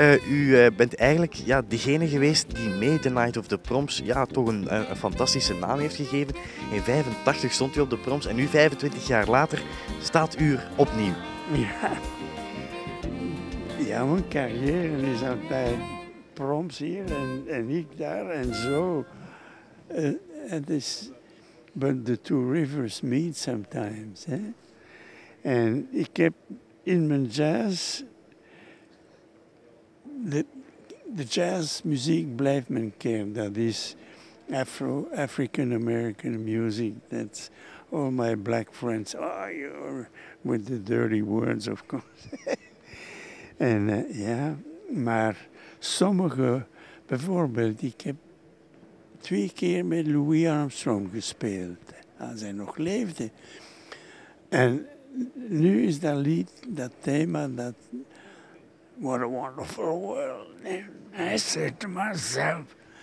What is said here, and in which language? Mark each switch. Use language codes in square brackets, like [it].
[nl] U bent eigenlijk degene geweest die mee de Night of the Proms toch een fantastische naam heeft gegeven. In 85 stond u op de Proms en nu 25 jaar later staat u er opnieuw. Ja, mijn carrière is altijd Proms hier en ik daar en zo. Het is... [en] But the two rivers meet sometimes. [nl] Hè? En ik heb in mijn jazz... De jazzmuziek blijft mijn kern. Dat is Afro-African-American music. [en] That's all my black friends. Oh, you're with the dirty words, of course. [nl] En maar sommige... Bijvoorbeeld, ik heb twee keer met Louis Armstrong gespeeld. Als hij nog leefde. En nu is dat lied, dat thema, dat... [en] What a wonderful world. En I said to myself.